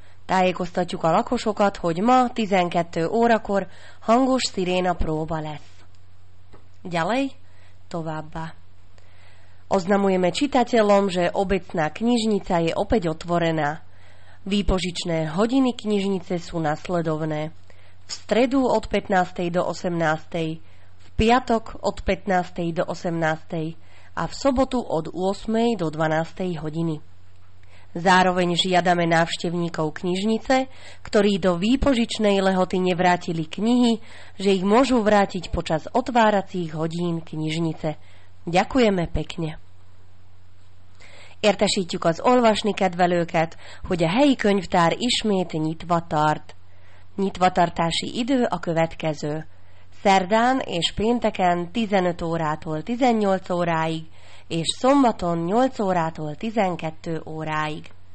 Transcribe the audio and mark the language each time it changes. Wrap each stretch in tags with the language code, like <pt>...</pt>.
<hu>Tájék osztatjuk a lakosokat, hogy ma 12 órakor hangos siréna próba lesz.</hu> <sk>Ďalej,</sk> <hu>továbbá.</hu> <sk>Oznamujeme čitateľom, že obecná knižnica je opäť otvorená. Výpožičné hodiny knižnice sú nasledovné. V stredu od 15. do 18. V piatok od 15. do 18. A v sobotu od 8. do 12. hodiny. Zároveň žiadame návštevníkov knižnice, ktorí do výpožičnej lehoty nevrátili knihy, že ich môžu vrátiť počas otváracích hodín knižnice. Ďakujeme pekne.</sk> <hu>Értesítjük az olvasni kedvelőket, hogy a helyi könyvtár ismét nyitva tart. Nyitvatartási idő a következő. Szerdán és pénteken 15 órától 18 óráig, és szombaton 8 órától 12 óráig.</hu>